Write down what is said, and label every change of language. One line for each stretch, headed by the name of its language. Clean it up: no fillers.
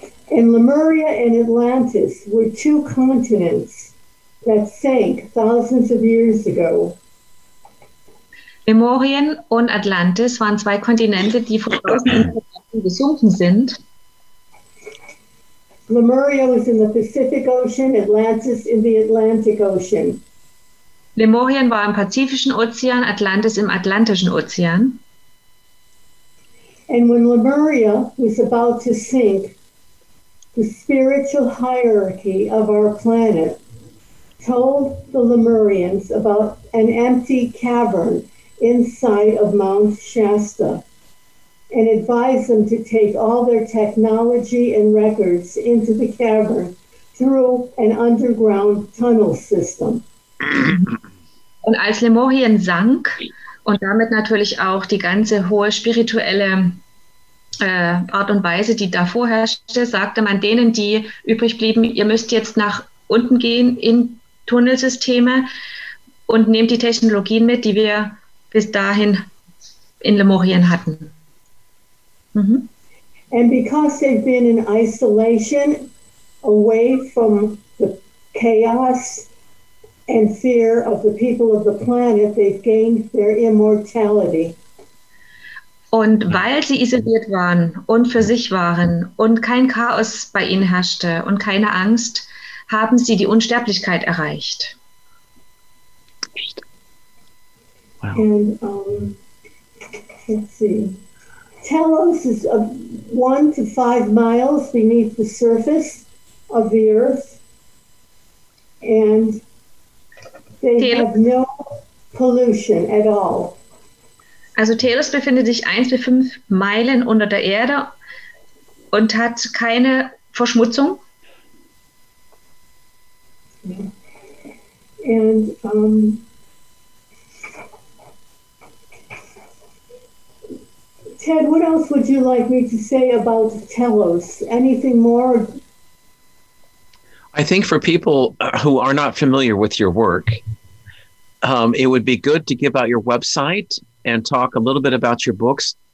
English: And Lemuria and Atlantis were two continents that sank thousands of years ago.
German: Lemurien und Atlantis waren zwei Kontinente, die vor tausenden Jahren gesunken sind.
English: Lemuria was in the Pacific Ocean, Atlantis in the Atlantic Ocean.
German: Lemurien war im Pazifischen Ozean, Atlantis im Atlantischen Ozean.
English: And when Lemuria was about to sink, the spiritual hierarchy of our planet told the Lemurians about an empty cavern inside of Mount Shasta and advised them to take all their technology and records into the cavern through an underground tunnel system.
German: Und als Lemurien sank und damit natürlich auch die ganze hohe spirituelle Art und Weise, die davor herrschte, sagte man denen, die übrig blieben, ihr müsst jetzt nach unten gehen in Tunnelsysteme und nehmt die Technologien mit, die wir bis dahin in Lemurien hatten. Mhm.
English: And because they've been in isolation, away from the chaos, and fear of the people of the planet, they've gained their immortality.
German: Und weil sie isoliert waren und für sich waren und kein Chaos bei ihnen herrschte und keine Angst, haben sie die Unsterblichkeit erreicht.
English: Wow. And let's see. Telos is 1 to 5 miles beneath the surface of the earth. And they have no pollution at all.
German: Also Telos befindet sich 1 bis 5 Meilen unter der Erde und hat keine Verschmutzung.
English: And Ted, what else would you like me to say about Telos? Anything more? I think for people who are not familiar with your work, it would be good to give out your website and talk a little bit about your books.